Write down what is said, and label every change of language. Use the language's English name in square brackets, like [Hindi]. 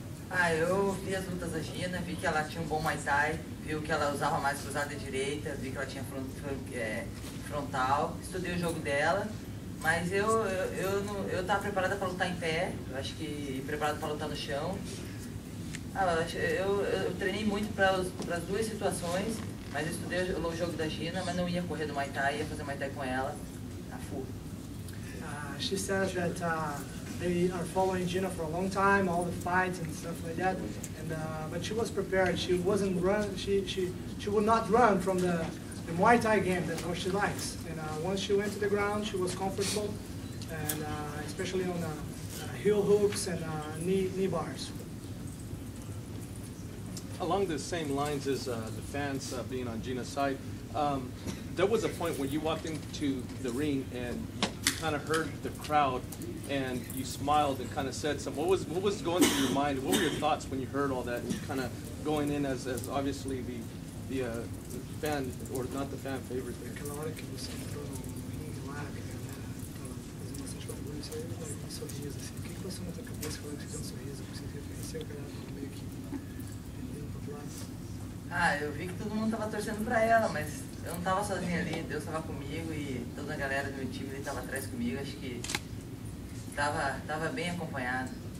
[Portuguese] Ah, eu vi as lutas da Gina, vi que ela tinha um bom Muay Thai, vi que ela usava mais cruzada direita, vi que ela tinha frontal, estudei o jogo dela, mas eu tava preparada para lutar em pé, eu acho que preparada para lutar no chão. Eu treinei muito para as duas situações, mas estudei o jogo da Gina, mas não ia correr do Muay Thai, ia fazer Muay Thai com ela, a full. [English] She says that they are following Gina for a long time, all the fights and stuff like that. But she was prepared. She wasn't run. She would not run from the Muay Thai game that she likes. And once she went to the ground, she was comfortable, and especially on heel hooks and knee bars. Along the same lines as the fans being on Gina's side, there was a point when you walked into the ring and kind of heard the crowd and you smiled and kind of said something. What was going through your mind? What were your thoughts when you heard all that and kind of going in as obviously the fan, or not the fan favorite there? [Portuguese] Aquela hora que você entrou no ringue lá, que eu vi que todo mundo tava torcendo para ela, mas eu não tava sozinha ali, Deus estava comigo e toda a galera do meu time ali estava atrás comigo, acho que estava bem acompanhado.